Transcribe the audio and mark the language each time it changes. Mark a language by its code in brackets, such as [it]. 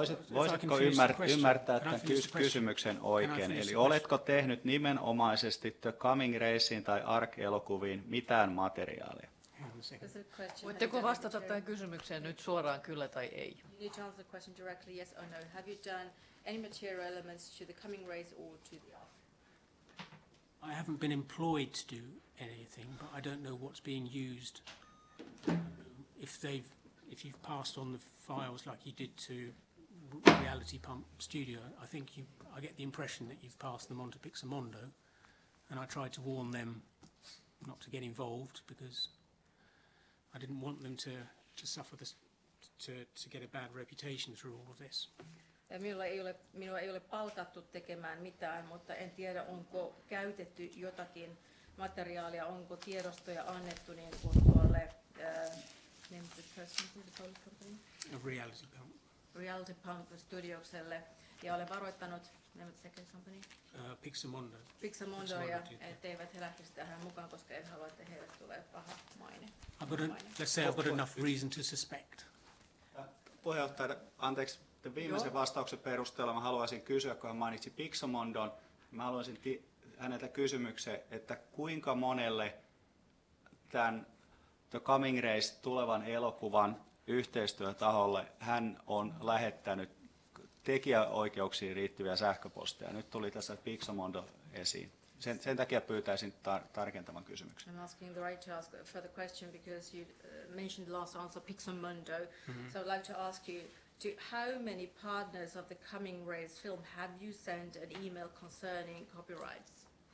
[fi] Voisitko ymmärtää tämän kysymyksen oikein? Eli oletko tehnyt nimenomaisesti The Coming Racein tai Ark-elokuviin mitään materiaalia? Voitteko vastata tähän kysymykseen nyt suoraan kyllä tai ei? [en] You need to answer the question directly, yes or no. Have you done any material elements to The Coming Race or to the Ark? I haven't been employed to do anything, but I don't know what's being used. If you've passed on the files like you did to Reality Pump Studio, I get the impression that you've passed them on to Pixamondo, and I tried to warn them not to get involved because I didn't want them to suffer this, to get a bad reputation through all of this. [fi] Minua ei ole palkattu tekemään mitään, mutta en tiedä onko käytetty jotakin materiaalia, onko tiedostoja annettu niin kuin tuolle. [en] Name of the person for the public company? A Reality Pump. [fi] Reality Pump Studiokselle. Ja olen varoittanut, [en] name of the second company? [fi] Pixamondo. Pixamondo, ja etteivät he lähtisi tähän mukaan, koska en halua, että heille tulee paha maine. [en] I've got enough reason to suspect. [fi] Puheenjohtaja, anteeksi, viimeisen vastauksen perusteella mä haluaisin kysyä, kun hän mainitsi Pixamondon. Mä haluaisin häneltä kysymyksen, että kuinka monelle tämän The Coming Race tulevan elokuvan yhteistyötaholle hän on lähettänyt tekijäoikeuksiin liittyviä sähköposteja. Nyt tuli tässä Pixamondo esiin. Sen takia pyytäisin tarkentavan kysymyksen. [en] I'm asking the right to ask for the question because you mentioned the last answer, Pixamondo. Mm-hmm. So I'd like to ask you, to how many partners of The Coming Race film have you sent an email concerning copyrights?